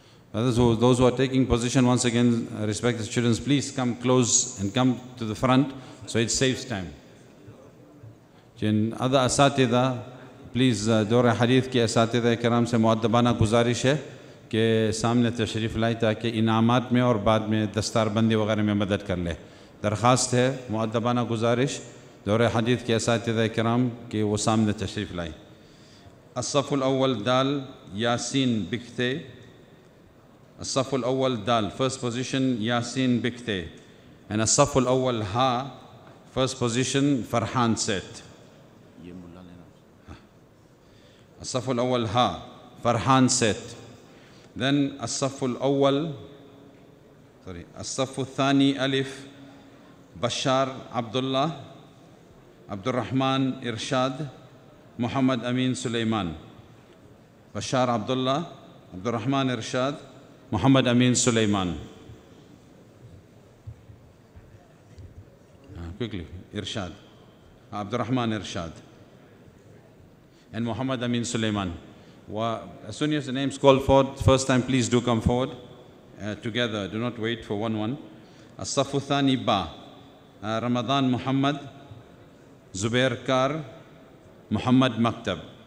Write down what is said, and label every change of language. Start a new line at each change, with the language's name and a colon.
English: Brothers, those who are taking position, once again, respected students, please come close and come to the front so it saves time.
Urdu: جن ادھا اساتذہ please دور حدیث کے اساتذہ کرام سے مؤدبانہ گزارش ہے کہ سامنے تشریف لائیں تاکہ انعامات میں اور بعد میں دستار بندی وغیرہ میں مدد کر لے. درخواست ہے مؤدبانہ گزارش دور حدیث کے اساتذہ کرام کہ وہ سامنے تشریف لائیں.
Arabic: الصف الاول دال یاسین بکتے. الصف الاول دال
English: first position
Arabic: یاسین بکتے. اینڈ الصف الاول ہا
English: first position
Arabic: فرحان سیٹ. الصف الأول ها فرحان سيت.
English: Then
Arabic: الصف الأول
English: sorry
Arabic: الصف الثاني ألف بشار عبد الله عبد الرحمن إرشاد محمد أمين سليمان. بشار عبد الله عبد الرحمن إرشاد محمد أمين سليمان.
English: Quickly إرشاد عبد الرحمن إرشاد and Muhammad Amin Suleiman. As soon as the name is called for, first time, please do come forward together. Do not wait for one.
Arabic: As-Safu Thani Ba,
English: Ramadan Muhammad, Zubair Kar, Muhammad Maktab.